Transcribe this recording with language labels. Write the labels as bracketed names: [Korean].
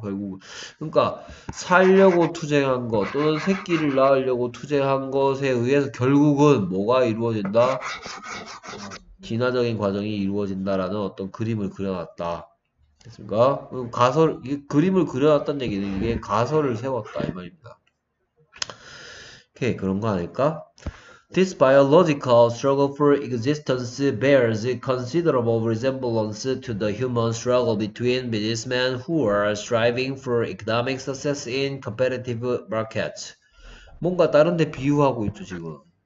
[Korean] 결국 그러니까 살려고 투쟁한 것 또는 새끼를 낳으려고 투쟁한 것에 의해서 결국은 뭐가 이루어진다? 진화적인 과정이 이루어진다라는 어떤 그림을 그려놨다. 됐습니까? 가설, 이 그림을 그려놨다는 얘기는 이게 가설을 세웠다 이 말입니다. 오케이, 그런 거 아닐까? [English] This biological struggle for existence bears considerable resemblance to the human struggle between businessmen who are striving for economic success in competitive markets. [Korean] 뭔가 다른 데 비유하고 있죠, 지금.